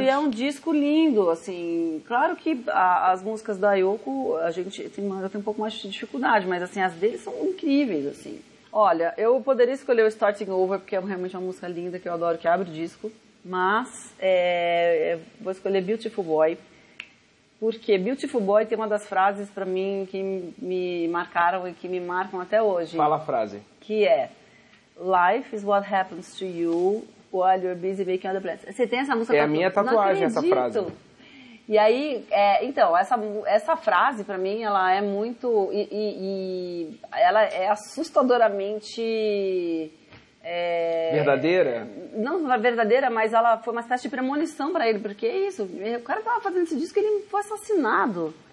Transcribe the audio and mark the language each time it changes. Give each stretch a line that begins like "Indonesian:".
Portuguese: E é um disco lindo, assim. Claro que as músicas da Yoko, a gente tem, eu tenho um pouco mais de dificuldade, mas assim, as deles são incríveis, assim. Olha, eu poderia escolher o Starting Over, porque é realmente uma música linda que eu adoro, que abre o disco. Mas vou escolher Beautiful Boy. Porque Beautiful Boy tem uma das frases pra mim que me marcaram e que me marcam até hoje. Fala a frase. Que é,
English: life is what happens to you while you're busy making other plans.
Portuguese: Você tem essa música? É a minha tatuagem, essa frase. E aí, então, essa frase pra mim, ela é muito... E ela é assustadoramente... Verdadeira? Não verdadeira, mas ela foi uma espécie de premonição pra ele, porque é isso, o cara tava fazendo esse disco e ele foi assassinado.